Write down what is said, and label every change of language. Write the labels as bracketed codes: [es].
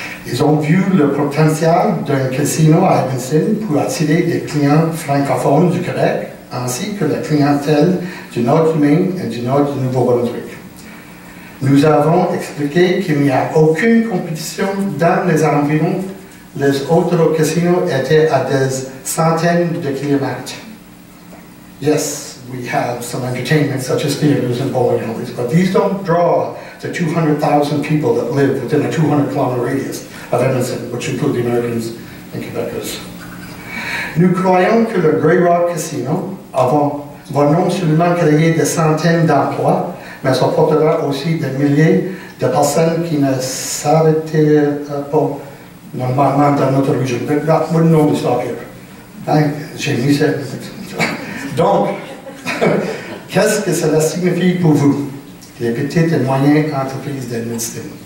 [fr] Ils ont vu le potentiel d'un casino à Edmundston pour attirer des clients francophones du Québec, ainsi que la clientèle du nord du Maine et du nord du Nouveau-Brunswick. Nous avons expliqué qu'il n'y a aucune compétition dans les environs. Les autres casinos étaient à des centaines de kilomètres. [en] Yes, we have some entertainment, such as theaters and bowling alleys, but these don't draw the 200,000 people that live within a 200-kilometer radius of Edmundston, which include the Americans and Quebecers. [fr] Nous croyons que le Grey Rock Casino va non seulement créer des centaines d'emplois, mais ça portera aussi des milliers de personnes qui ne s'arrêteraient pas normalement dans notre région. [en] But that wouldn't only stop here. [fr] Hein? J'ai mis ça. Donc, qu'est-ce que cela signifie pour vous, les petites et moyennes entreprises d'Edmundston?